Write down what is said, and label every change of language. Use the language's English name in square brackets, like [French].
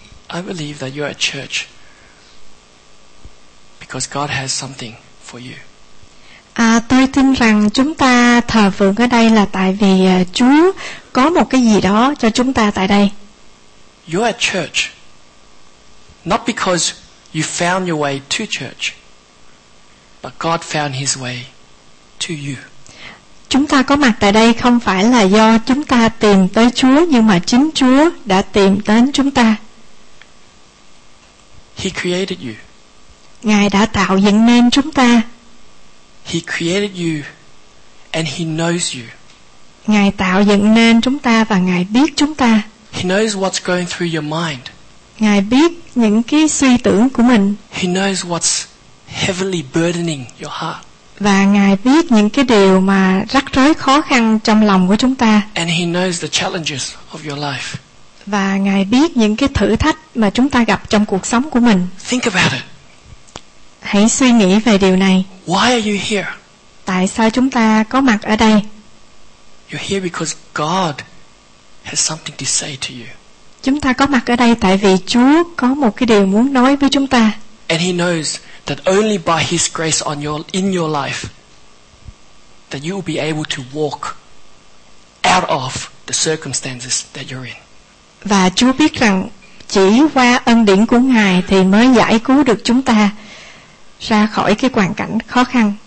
[English] I believe that you're at church because God has something for you. [Vietnamese] Tôi tin rằng chúng ta thờ phượng ở đây là tại vì Chúa có một cái gì đó cho chúng ta tại đây. [English] You're at church not because you found your way to church, but God found his way to you. [Vietnamese] Chúng ta có mặt tại đây không phải là do chúng ta tìm tới Chúa, nhưng mà chính Chúa đã tìm đến chúng ta. [English] He created you. [Vietnamese] Ngài đã tạo dựng nên chúng ta. [English] He created you and he knows you. [Vietnamese] Ngài tạo dựng nên chúng ta và Ngài biết chúng ta. [English] He knows what's going through your mind. [Vietnamese] Ngài biết những cái suy tưởng của mình. [English] He knows what's heavily burdening your heart. [Vietnamese] Và Ngài biết những cái điều mà rắc rối khó khăn trong lòng của chúng ta. [English] And he knows the challenges of your life. [Vietnamese] Và Ngài biết những cái thử thách mà chúng ta gặp trong cuộc sống của mình. [English] Think about it. [Vietnamese] Hãy suy nghĩ về điều này. [English] Why are you here? [Vietnamese] Tại sao chúng ta có mặt ở đây? [English] You're here because God has something to say to you. [Vietnamese] Chúng ta có mặt ở đây tại vì Chúa có một cái điều muốn nói với chúng ta. [English] And he knows that only by his grace on your in your life that you will be able to walk out of the circumstances that you're in. [Vietnamese] Và Chúa biết rằng chỉ qua ân điển của Ngài thì mới giải cứu được chúng ta ra khỏi cái hoàn cảnh khó khăn.